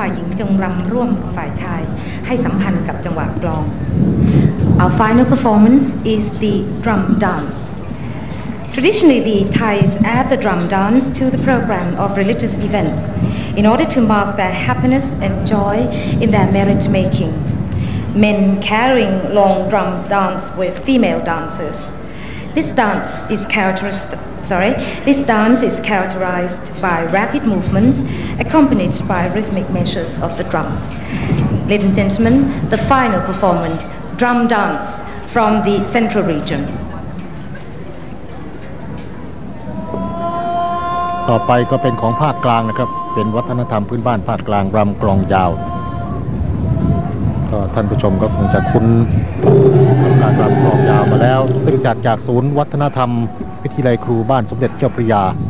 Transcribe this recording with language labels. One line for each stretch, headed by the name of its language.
Thai: ฝ่ายหญิงจงรำร่วมฝ่ายชายให้สัมพันธ์กับจังหวัดกลอง
English: Our final performance is the drum dance. Traditionally, the Thais add the drum dance to the program of religious events in order to mark their happiness and joy in their marriage making. Men carrying long drums dance with female dancers. This dance is characterized by rapid movements accompanied by rhythmic measures of the drums. Ladies and gentlemen, the final performance, drum dance from the central region.
Thai: ต่อไปก็เป็นของภาคกลางนะครับเป็นวัฒนธรรมพื้นบ้านภาคกลางรำกลองยาวท่านผู้ชมก็คงจะคุ้นการรำกลองยาวมาแล้วซึ่งจัดจากศูนย์วัฒนธรรมวิทยาลัยครูบ้านสมเด็จเจ้าพระยา